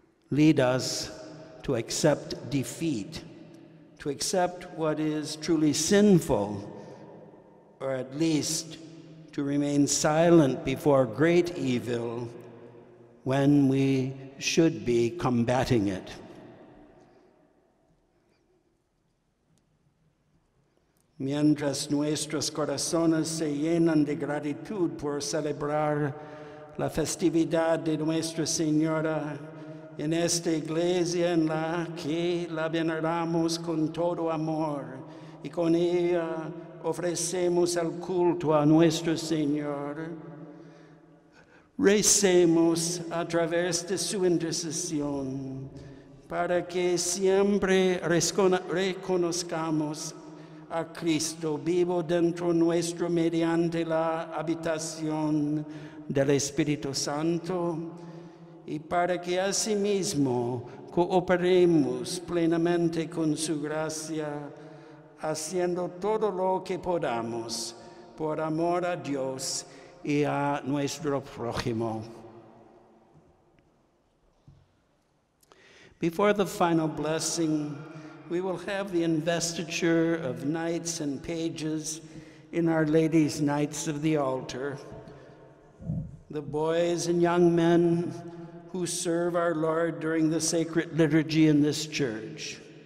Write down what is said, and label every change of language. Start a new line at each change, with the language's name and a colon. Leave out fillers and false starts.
English: lead us to accept defeat, to accept what is truly sinful, or at least to remain silent before great evil when we should be combating it.
Spanish: Mientras nuestros corazones se llenan de gratitud por celebrar la festividad de Nuestra Señora en esta iglesia en la que la veneramos con todo amor y con ella ofrecemos el culto a Nuestro Señor, recemos a través de su intercesión para que siempre reconozcamos a Cristo vivo dentro nuestro mediante la habitación del Espíritu Santo y para que asimismo cooperemos plenamente con su gracia haciendo todo lo que podamos por amor a Dios y a nuestro prójimo.
English: Before the final blessing, we will have the investiture of knights and pages in Our Lady's Knights of the Altar. The boys and young men who serve our Lord during the sacred liturgy in this church.